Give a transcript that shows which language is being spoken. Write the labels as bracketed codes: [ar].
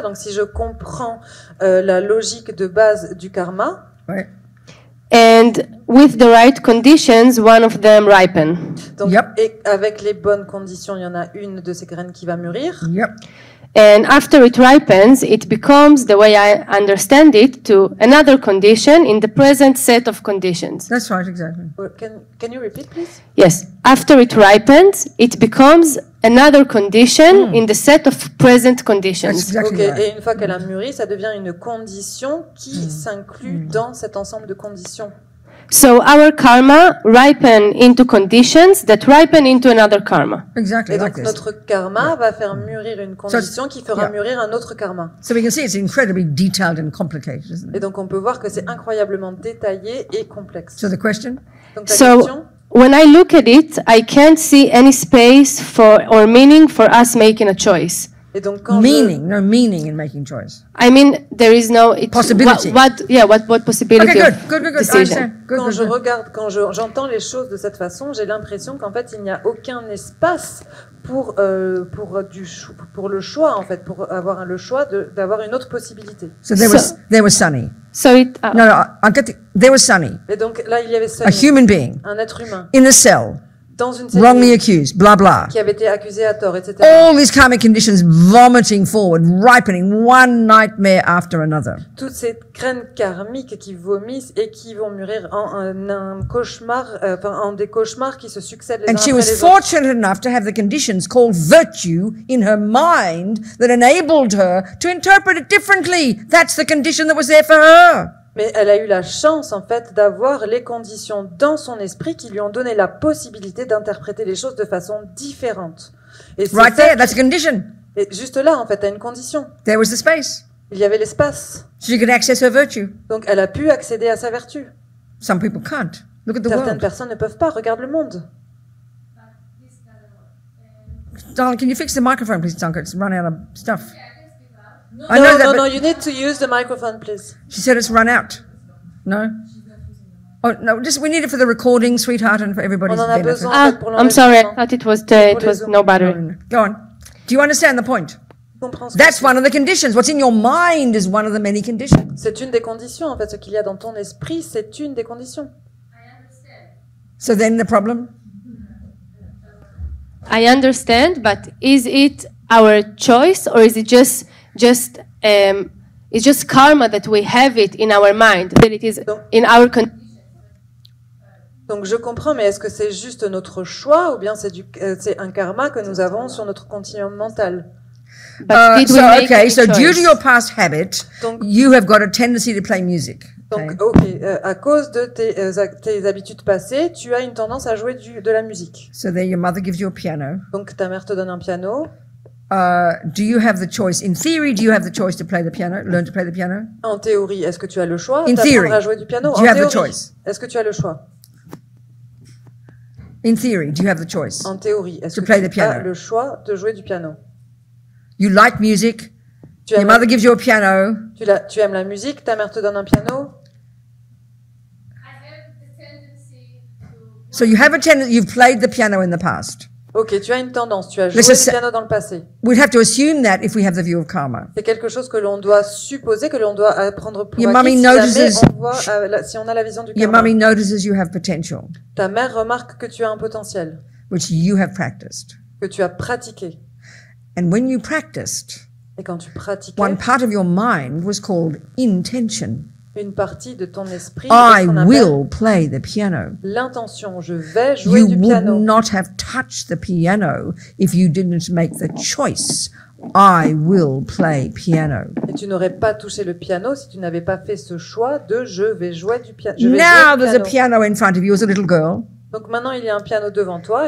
[fr] Donc, si je comprends la logique de base du karma, [en] and with the right conditions, one of them ripen. [fr] Donc, et avec les bonnes conditions, il y en a une de ces graines qui va mûrir. [en] Yep. And after it ripens, it becomes the way I understand it to another condition in the present set of conditions. That's right, exactly. Can you repeat, please? Yes. After it ripens, it becomes another condition in the set of present conditions. That's exactly okay. Right. [fr] Et une fois qu'elle a mûri, ça devient une condition qui s'inclut dans cet ensemble de conditions. [en] So our karma ripen into conditions that ripen into another karma. Exactly. [fr] Et donc [en] like [fr] notre karma va faire mûrir une condition qui fera mûrir un autre karma. [en] So we can see it's incredibly detailed and complicated, isn't it? [fr] Et donc on peut voir que c'est incroyablement détaillé et complexe. [en] So the question? [fr] Donc la [en] so [fr] question? [en] When I look at it, I can't see any space for or meaning for us making a choice. [fr] Et donc quand [en] meaning, [fr] je... [en] no meaning in making choice. I mean, there is no possibility. What possibility? Okay, good. Decision. [fr] Quand j'entends les choses de cette façon, j'ai l'impression qu'en fait il n'y a aucun espace pour le choix en fait, pour avoir le choix d'avoir une autre possibilité. [en] So there was Sunny. So it. There was Sunny. [fr] Et donc là il y avait Sunny. [en] A human being. [fr] Un être humain. [en] In a cell. Wrongly accused, blah blah. [fr] Qui avait été accusé à tort, etc. [en] All these karmic conditions vomiting forward, ripening one nightmare after another. [fr] Toutes ces graines karmiques qui vomissent et qui vont mûrir en des cauchemars qui se succèdent les uns après les autres. [en] And she was fortunate enough to have the conditions called virtue in her mind that enabled her to interpret it differently. That's the condition that was there for her. [fr] Mais elle a eu la chance, en fait, d'avoir les conditions dans son esprit qui lui ont donné la possibilité d'interpréter les choses de façon différente. Et c'est [en] right there, that's a condition. [fr] Et juste là, en fait, t'as une condition. [en] There was the space. [fr] Il y avait l'espace. [en] She could access her virtue. [fr] Donc, elle a pu accéder à sa vertu. [en] Some people can't. Look at the [fr] Certaines [en] world. [fr] Personnes ne peuvent pas. Regarde le monde. [en] Darling, can you fix the microphone, please, Duncan? It's running out of stuff. No, you need to use the microphone, please. She said it's run out. No? Oh, no, just we need it for the recording, sweetheart, and for everybody's [fr] on en a [en] benefit. [fr] Besoin, [en] I'm sorry, I thought it was no battery. Go on. Do you understand the point? That's one of the conditions. What's in your mind is one of the many conditions. [fr] C'est une des conditions, en fait. Ce qu'il y a dans ton esprit, c'est une des conditions. [en] I understand. So then the problem? I understand, but is it our choice, or is it it's just karma that we have it in our mind, that it is in our [fr] Donc je comprends, mais est-ce que c'est juste notre choix ou bien c'est un karma que nous avons sur notre continuum mental? [en] Due to your past habit, you have got a tendency to play music. Okay. [fr] À cause de tes habitudes passées, tu as une tendance à jouer de la musique. [en] So then your mother gives you a piano. [fr] Donc ta mère te donne un piano. [en] Do you have the choice? In theory, do you have the choice to play the piano? Learn to play the piano? [fr] En théorie, est-ce que tu as le choix d'apprendre à jouer du piano? [en] Do you have the choice? [fr] Est-ce que tu as le choix? [en] In theory, do you have the choice? [fr] En théorie, est-ce que tu as le choix de jouer du piano? [en] You like music. Your mother gives you a piano. [fr] Tu aimes la musique, ta mère te donne un piano. [en] So you have a tendency, you've played the piano in the past. [fr] Ok, tu as une tendance, tu as joué le piano dans le passé. [en] We'd have to assume that if we have the view of karma. [fr] C'est quelque chose que l'on doit supposer, que l'on doit apprendre pour acquis. [en] Mommy notices, [fr] si on a la vision du karma. [en] Your mommy notices you have potential. [fr] Ta mère remarque que tu as un potentiel. [en] Which you have practiced. [fr] Que tu as pratiqué. [en] And when you practiced. [fr] Et quand tu pratiquais. [en] One part of your mind was called intention. [fr] Une partie de ton esprit, [en] I will play the piano. [fr] L'intention, je vais jouer [en] you [fr] du piano. [en] You would not have touched the piano if you didn't make the choice. I will play piano. [fr] Et tu n'aurais pas touché le piano si tu n'avais pas fait ce choix de je vais jouer du piano. [en] Now there's a piano in front of you as a little girl. [fr] Donc maintenant il y a un piano devant toi.